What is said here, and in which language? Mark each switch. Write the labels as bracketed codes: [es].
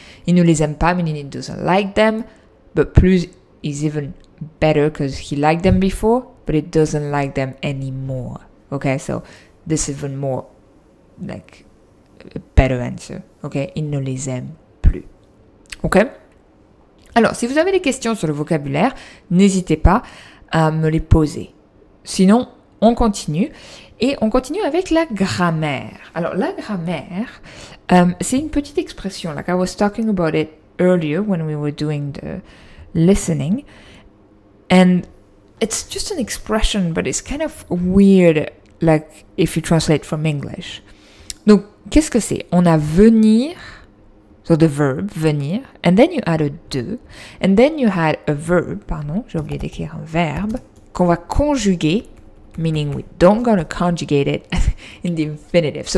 [en] Il ne les aime pas, meaning he doesn't like them. But plus is even better because he liked them before, but it doesn't like them anymore. Okay, so this is even more like a better answer. [fr] Okay, il ne les aime plus. Okay. Alors, si vous avez des questions sur le vocabulaire, n'hésitez pas à me les poser. Sinon, on continue et on continue avec la grammaire. Alors, la grammaire, c'est une petite expression. [en] Like I was talking about it earlier when we were doing the listening, and it's just an expression, but it's kind of weird, like if you translate from English. Donc, qu'est-ce que c'est? On a venir, so the verb, venir, and then you add a de, and then you had a verb, pardon, j'ai oublié d'écrire un verbe, qu'on va conjuguer, meaning we don't gonna conjugate it in the infinitive.